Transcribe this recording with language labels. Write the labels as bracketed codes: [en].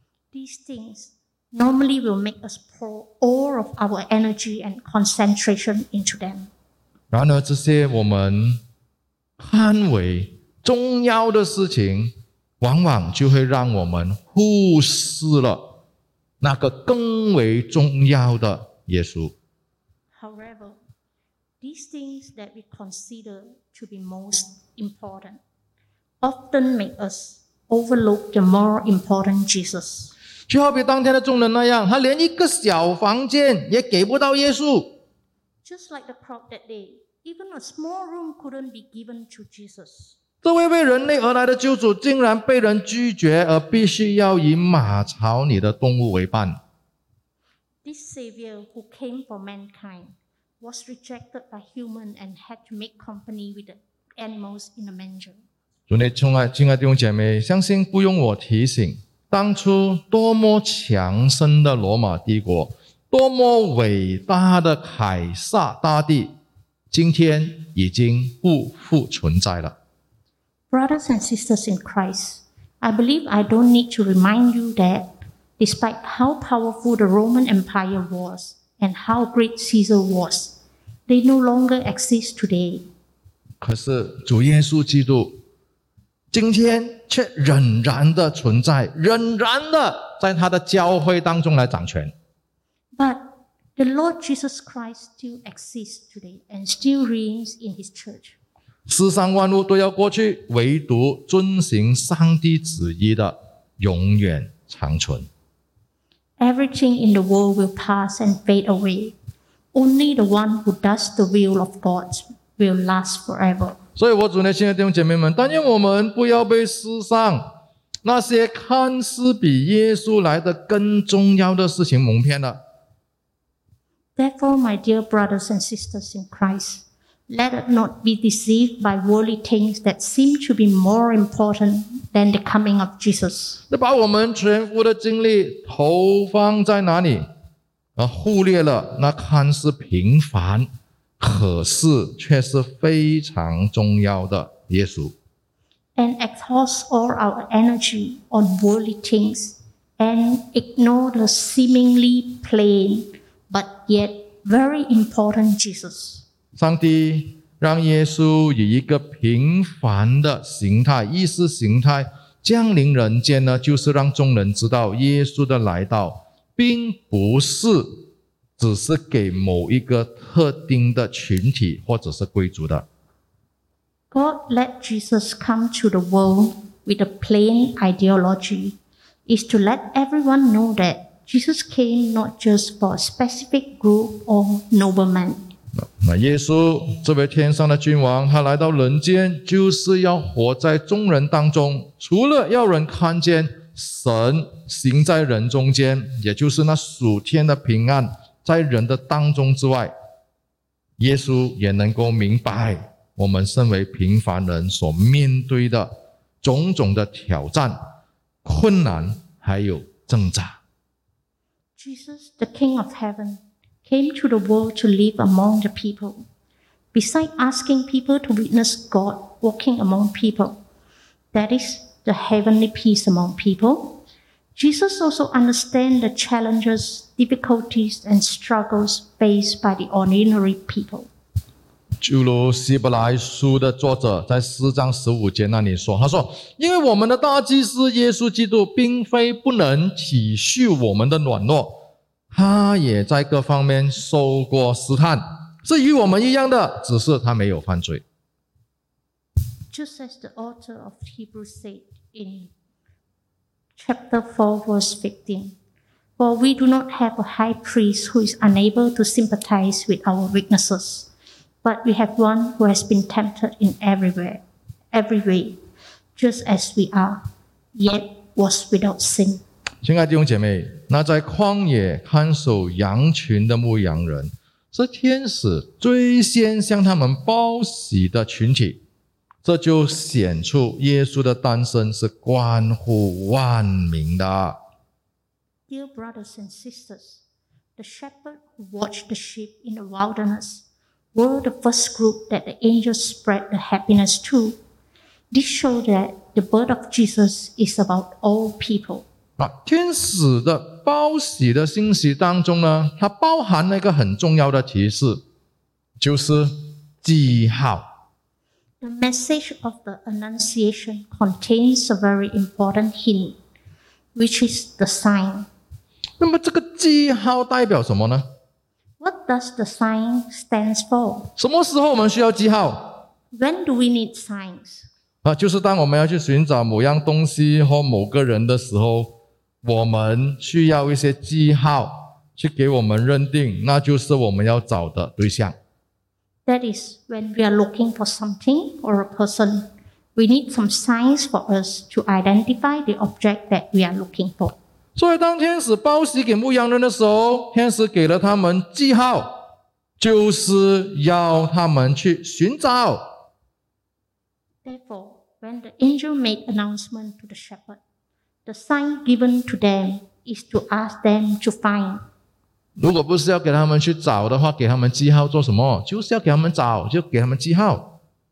[en] These things normally will make us pour all of our energy and concentration into them. [zh] 然而这些我们看为重要的事情，往往就会让我们忽视了那个更为重要的耶稣。 [en] However, these things that we consider to be most important often make us overlook the more important Jesus. [zh] 就好比当天的众人那样，他连一个小房间也给不到耶稣。 [en] Just like the crowd that day. Even a small room couldn't be given to Jesus. [zh] 这位为人类而来的救主竟然被人拒绝，而必须要以马槽里的动物为伴。 [en] This Savior who came for mankind was rejected by human and had to make company with the animals in the manger. [zh] 主内亲爱的弟兄姐妹，相信不用我提醒，当初多么强盛的罗马帝国，多么伟大的凯撒大帝。今天已经不复存在了。 [en] Brothers and sisters in Christ, I believe I don't need to remind you that despite how powerful the Roman Empire was and how great Caesar was, they no longer exist today. [zh] 可是主耶稣基督今天却仍然的存在，仍然的在他的教会当中来掌权。 [en] But,The Lord Jesus Christ still exists today and still reigns in His church. [zh] 世上万物都要过去，唯独遵行上帝旨意的永远长存。 [en] Everything in the world will pass and fade away. Only the one who does the will of God will last forever. [zh] 所以我主内亲爱的弟兄姐妹们，但愿我们不要被世上那些看似比耶稣来的更重要的事情蒙骗了。 [en] Therefore, my dear brothers and sisters in Christ, let us not be deceived by worldly things that seem to be more important than the coming of Jesus. [zh] 你把我们全部的精力投放在哪里？而忽略了那看似平凡，可是却是非常重要的耶稣。 [en] And exhaust all our energy on worldly things and ignore the seemingly plain. But yet, very important Jesus. [zh] 上帝让耶稣以一个平凡的形态、意识形态降临人间呢，就是让众人知道耶稣的来到并不是只是给某一个特定的群体或者是贵族的。 [en] God let Jesus come to the world with a plain ideology is to let everyone know thatJesus came not just for a specific group or noblemen. [zh] 那耶稣这位天上的君王，他来到人间就是要活在众人当中，除了要人看见神行在人中间，也就是那属天的平安在人的当中之外，耶稣也能够明白我们身为平凡人所面对的种种的挑战、困难还有挣扎。 [en] Jesus, the King of Heaven, came to the world to live among the people. Beside asking people to witness God walking among people, that is the heavenly peace among people, Jesus also understands the challenges, difficulties, and struggles faced by the ordinary people. [zh] 就如希伯来书的作者在四章十五节那里说，他说，因为我们的大祭司耶稣基督并非不能体恤我们的软弱，他也在各方面受过试探，是与我们一样的，只是他没有犯罪。 [en] Just as the author of Hebrews said in chapter 4, verse 15, for we do not have a high priest who is unable to sympathize with our weaknesses, but we have one who has been tempted in every way, just as we are, yet was without sin. [zh] 亲爱的弟兄姐妹，那在旷野看守羊群的牧羊人，是天使最先向他们报喜的群体。这就显出耶稣的诞生是关乎万民的。 [en] Dear brothers and sisters, the shepherd who watched the sheep in the wilderness were the first group that the angels spread the happiness to. This shows that the birth of Jesus is about all people. [zh] 天使的报喜的信息当中呢，它包含了一个很重要的提示，就是记号。 [en] The message of the Annunciation contains a very important hint, which is the sign. [zh] 那么这个记号代表什么呢？ [en] What does the sign stand for? [zh] 什么时候我们需要记号？ [en] When do we need signs? [zh] 就是当我们要去寻找某样东西或某个人的时候，我们需要一些记号去给我们认定，那就是我们要找的对象。 [en] That is when we are looking for something or a person, we need some signs for us to identify the object that we are looking for. [zh] 所以当天使报喜给牧羊人的时候，天使给了他们记号，就是要他们去寻找。 [en] Therefore, when the angel made announcement to the shepherd, the sign given to them is to ask them to find. [zh] 如果不是要给他们去找的话，给他们记号做什么？就是要给他们找，就给他们记号。